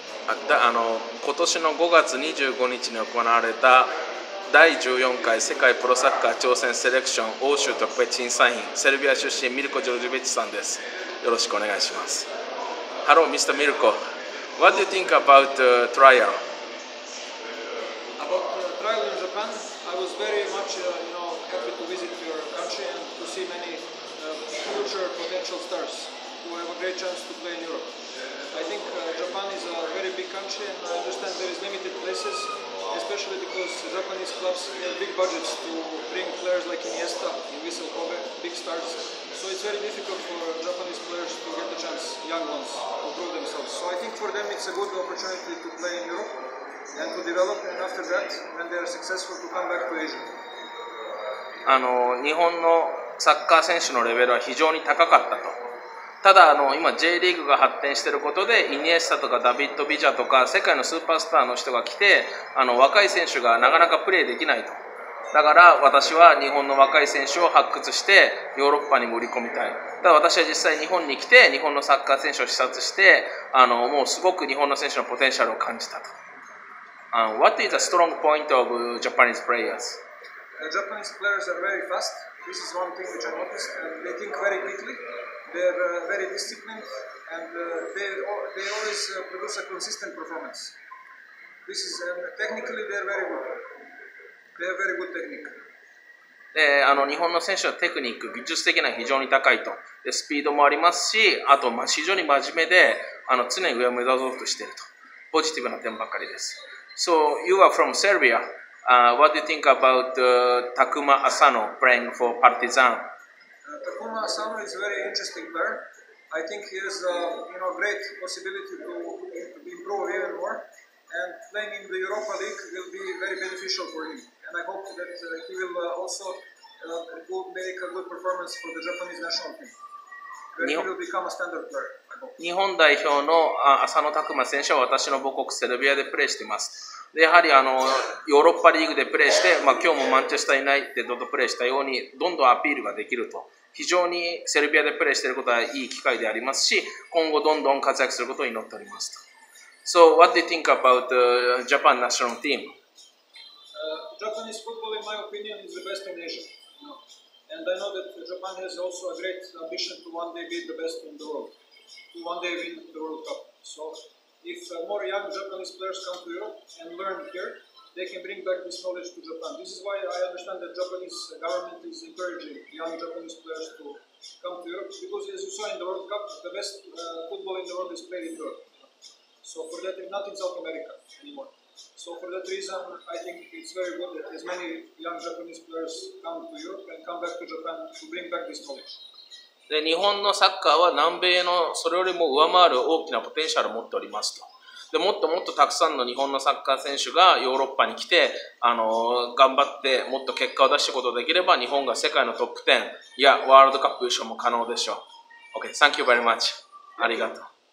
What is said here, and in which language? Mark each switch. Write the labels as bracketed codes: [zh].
[ja] 今年の5月25日に行われた第14回世界プロサッカー挑戦セレクション欧州特別審査員、セルビア出身ミルコ・ジョルジュベッチさんです。よろしくお願いします。 [en] Hello Mr. Mirko, What do you think about the trial? About the trial in Japan, I was very much happy to visit your country and to see many future potential stars who have a great chance to play in Europe. I think Japan is a very big country and I understand there is limited places, especially because Japanese clubs have big budgets to bring players like Iniesta, Vissel Kobe, big stars. So it's very difficult for Japanese players to get the chance, young ones, to prove themselves. So I think for them it's a good opportunity to play in Europe and to develop, and after that, when they are successful, to come back to Asia. [ja] 日本のサッカー選手のレベルは非常に高かったと。ただ今 J リーグが発展していることで、イニエスタとかダビッド・ビジャとか世界のスーパースターの人が来て、若い選手がなかなかプレーできないと。だから私は日本の若い選手を発掘してヨーロッパに盛り込みたい。ただ私は実際日本に来て日本のサッカー選手を視察して、もうすごく日本の選手のポテンシャルを感じたと。 [en] What is the strong point of Japanese players? Japanese players are very fast. This is one thing which I noticed. And they think very quickly. They are very disciplined, and they always produce a consistent performance. This is technically they are very good. They have very good technique. [ja] で日本の選手はテクニック、技術的には非常に高いと。でスピードもありますし、あと非常に真面目で、常に上を目指そうとしていると。ポジティブな点ばかりです。 [en] So you are from Serbia. What do you think about Takuma Asano playing for Partizan? Takuma Asano is a very interesting player. I think he has a great possibility to improve even more. And playing in the Europa League will be very beneficial for him. And I hope that he will also make a good performance for the Japanese national team. Where he will become a standard player. [ja] 日本代表の浅野拓磨選手は私の母国セルビアでプレーしています。でやはりヨーロッパリーグでプレーして、今日もマンチェスターユナイテッドとプレーしたようにどんどんアピールができると。非常にセルビアでプレーしていることはいい機会でありますし、今後どんどん活躍することを祈っておりますと。 [en] So what do you think about the Japan national team? Japanese football in my opinion is the best in Asia, and I know that Japan has also a great ambition to one day be the best in the worldto one day win the World Cup. So if more young Japanese players come to Europe and learn here, they can bring back this knowledge to Japan. This is why I understand that Japanese government is encouraging young Japanese players to come to Europe, because as you saw in the World Cup, the best football in the world is played in Europe. So for that, not in South America anymore. So for that reason, I think it's very good that as many young Japanese players come to Europe and come back to Japan to bring back this knowledge. [ja] で日本のサッカーは南米のそれよりも上回る大きなポテンシャルを持っておりますと。でもっともっとたくさんの日本のサッカー選手がヨーロッパに来て頑張ってもっと結果を出していくことができれば、日本が世界のトップ10やワールドカップ優勝も可能でしょう。 [en] OK, thank you very much. [ja] ありがとう。